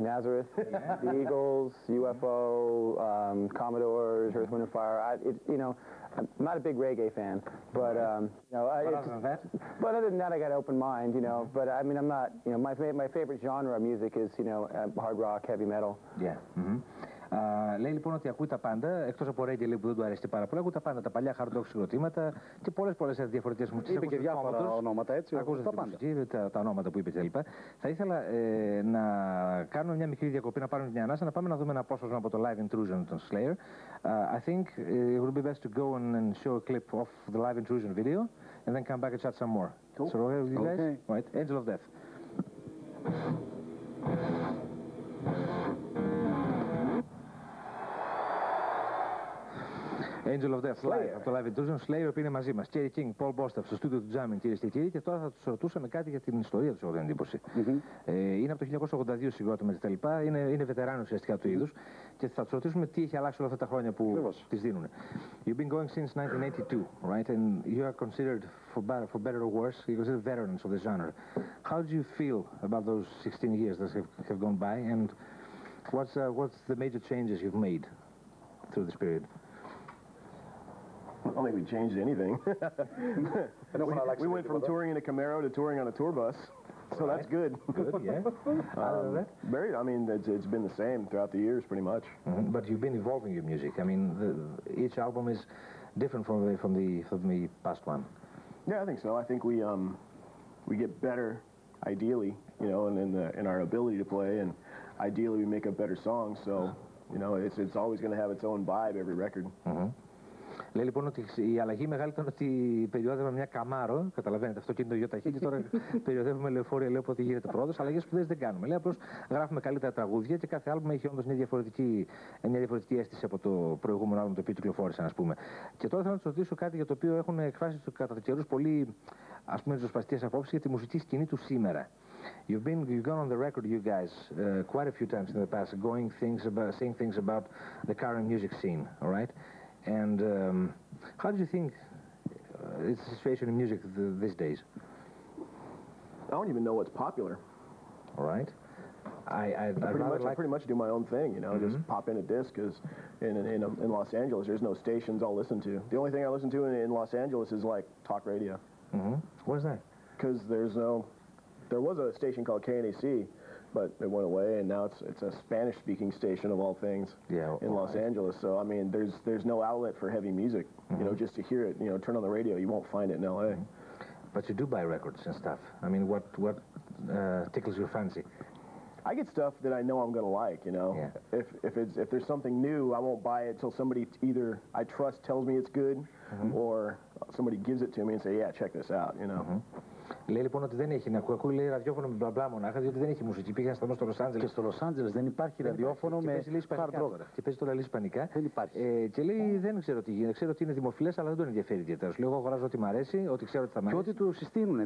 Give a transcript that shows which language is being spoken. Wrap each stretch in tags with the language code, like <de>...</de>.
<en>Nazareth, yeah. The Eagles, UFO, Commodores, Earth, Wind & Fire. I'm not a big reggae fan, but, other than that, I got an open mind, you know. Mm-hmm. But, I mean, I'm not, you know, my favorite genre of music is, you know, hard rock, heavy metal. Yeah. Mm-hmm.</en> <el>Λέει λοιπόν ότι ακούει τα πάντα, εκτός από ρέγγι που δεν του αρέσει πάρα πολύ, ακούει τα πάντα, τα παλιά hard rock συγκροτήματα και πολλές διαφορετικές μουσικές. Είπε και διάφορα ονόματα, έτσι, ακούσατε τα πάντα. Μουσική, τα ονόματα που είπε κλπ. Θα ήθελα να κάνουμε μια μικρή διακοπή, να πάρουμε μια ανάσα, να πάμε να δούμε ένα απόσπασμα από το Live Intrusion των Slayer.</el> <en>I think it would be best to go on and show a clip of the Live Intrusion video and then come back and chat some more. Cool. So, you guys? Okay. Right. Angel of Death. Angel of Death, Slayer.</en> <el>Live, από το Live Intrusion, Slayer, που είναι μαζί μας. Kerry King, Paul Bostaph, στο στούντιο του Jammin, κυρίες και κύριοι. Και τώρα θα τους ρωτούσαμε κάτι για την ιστορία τους, έχω την εντύπωση. Είναι από το 1982 συγκρότημα και τα λοιπά. Είναι βετεράνοι ουσιαστικά του είδους. Και θα τους ρωτήσουμε τι έχει αλλάξει όλα αυτά τα χρόνια που τις δίνουν.</el> <en>You've been going since 1982, right? And you are considered, for better or worse, you're considered veterans of the genre. How do you feel about those 16 years that have gone by? And what's the major changes you've made through this period? I don't think we changed anything. we went from touring in a Camaro to touring on a tour bus, so right. That's good. Good, yeah. It's been the same throughout the years, pretty much. Mm-hmm. But you've been evolving your music. I mean, each album is different from the past one. Yeah, I think so. I think we get better, ideally, you know, and in our ability to play, and ideally we make a better song. So, you know, it's always going to have its own vibe every record. Mm-hmm.</en> <el>Λέει λοιπόν ότι η αλλαγή μεγάλη ήταν ότι περιόδευα μια Καμάρο, καταλαβαίνετε, αυτό κινητό γιο ταχύτητα, και τώρα περιοδεύουμε λεωφορεία, λέω ότι γίνεται πρόοδος, αλλαγές σπουδές δεν κάνουμε. Λέει απλώς γράφουμε καλύτερα τραγούδια και κάθε άλμπουμ έχει όντως μια διαφορετική αίσθηση από το προηγούμενο άλμπουμ το οποίο κυκλοφόρησαν, ας πούμε. Και τώρα θέλω να σας ρωτήσω κάτι για το οποίο έχουν εκφράσει κατά τους καιρούς πολύ, ας πούμε, ριζοσπαστικές απόψεις για τη μουσική σκηνή του σήμερα. You've gone on the record, you guys, quite a few times in the past, saying things about the current music scene, all right? And how do you think is the situation in music these days? I don't even know what's popular. All right. I pretty much do my own thing, you know, mm-hmm. just pop in a disc because in Los Angeles, there's no stations I'll listen to. The only thing I listen to in Los Angeles is like talk radio. Mm-hmm. What is that? Because there was a station called KNAC. But it went away, and now it's a Spanish-speaking station, of all things, in Los Angeles. So, I mean, there's no outlet for heavy music, mm-hmm. you know, just to hear it. You know, turn on the radio, you won't find it in L.A. Mm-hmm. But you do buy records and stuff. I mean, what tickles your fancy? I get stuff that I know I'm going to like, you know. Yeah. If there's something new, I won't buy it until somebody either I trust tells me it's good, mm-hmm. or somebody gives it to me and say, yeah, check this out, you know. Mm-hmm. Λέει λοιπόν ότι δεν έχει να ακούει, λέει ραδιόφωνο με μπλα μονάχα, διότι δεν έχει μουσική. Πήγαν σταθμό στο Λος Άντζελες. Και στο Λος Άντζελες δεν υπάρχει ραδιόφωνο με hard rock. Και παίζει τώρα ισπανικά. Δεν υπάρχει. Και λέει δεν ξέρω τι γίνεται. Ξέρω ότι είναι δημοφιλές, αλλά δεν τον ενδιαφέρει ιδιαίτερα. Λέω εγώ αγοράζω ό,τι μου αρέσει, ό,τι ξέρω ότι θα μ' αρέσει. Και ό,τι του συστήνουν.</el>